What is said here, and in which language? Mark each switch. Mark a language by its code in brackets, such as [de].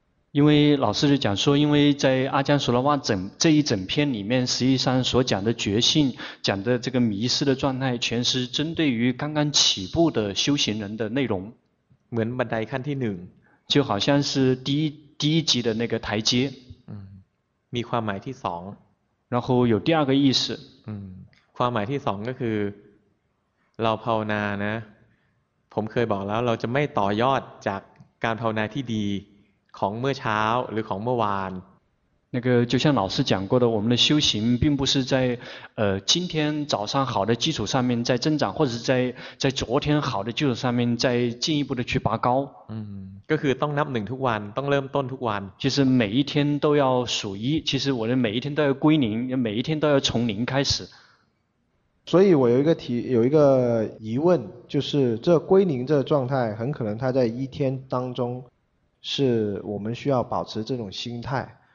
[zh] 因为老师就讲说，因为在阿姜索罗旺整这一整篇里面，实际上所讲的觉性，讲的这个迷失的状态，全是针对于刚刚起步的修行人的内容。 [th] เหมือนบันไดขั้นที่หนึ่ง [zh] 就好像是第一级的那个台阶。 [th] มีความหมายที่สอง [zh] 然后有第二个意思。 [th] ความหมายที่สองก็คือเราภาวนานะผมเคยบอกแล้วเราจะไม่ต่อยอดจากการภาวนาที่ดีของเมื่อเช้าหรือของเมื่อวาน [zh] 那个就像老师讲过的，我们的修行并不是在今天早上好的基础上面在增长，或者是在昨天好的基础上面再进一步的去拔高。 [th] ก็คือต้องนับหนึ่งทุกวันต้องเริ่มต้นทุกวัน [zh] 其实每一天都要数一，其实我的每一天都要归零，每一天都要从零开始。所以我有一个疑问，就是这归零这状态，很可能它在一天当中，是我们需要保持这种心态。